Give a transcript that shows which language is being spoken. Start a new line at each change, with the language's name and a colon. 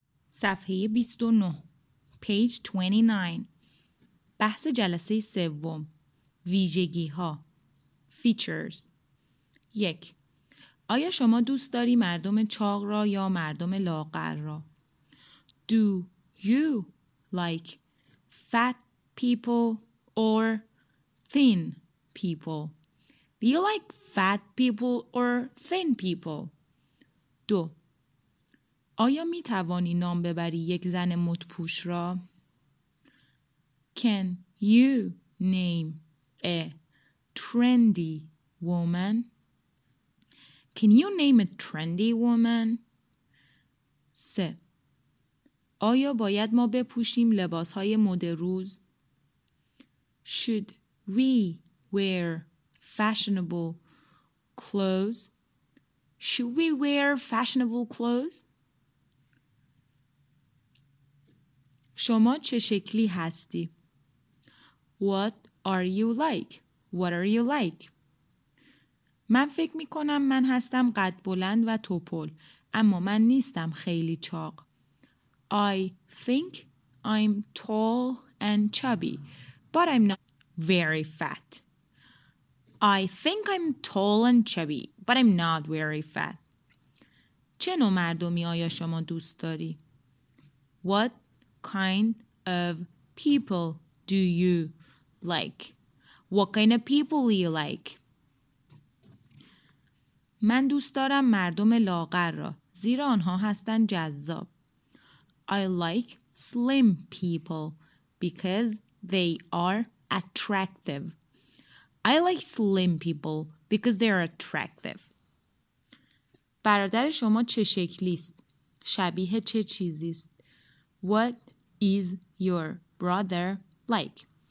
Persian: صفحه 29
English: page 29
Persian: بحث جلسه سوم ویژگی ها features 1. آیا شما دوست داری مردم چاق را یا مردم لاغر را؟
English: Do you like fat people or thin people? Do you like fat people or thin people? 2.
Persian: آیا می توانی نام ببری یک زن مدپوش را؟
English: Can you name a trendy woman? Can you name a trendy woman? 3.
Persian: آیا باید ما بپوشیم لباس های مد روز؟
English: Should we wear fashionable clothes? Should we wear fashionable clothes?
Persian: شما چه شکلی هستی؟
English: What are you like? What are you like?
Persian: من فکر می کنم من هستم قد بلند و توپل، اما من نیستم خیلی چاق.
English: I think I'm tall and chubby, but I'm not very fat. I think I'm tall and chubby, but I'm not very fat.
Persian: چه نوع مردمی آیا شما دوست داری؟
English: What kind of people do you like? What kind of people do you like?
Persian: من دوست دارم مردم لاغر را، زیرا آنها هستند جذاب.
English: I like slim people because they are attractive. I like slim people because they are attractive.
Persian: برادر شما چه شکلی است؟ شبیه چه چیزی است؟
English: What is your brother like?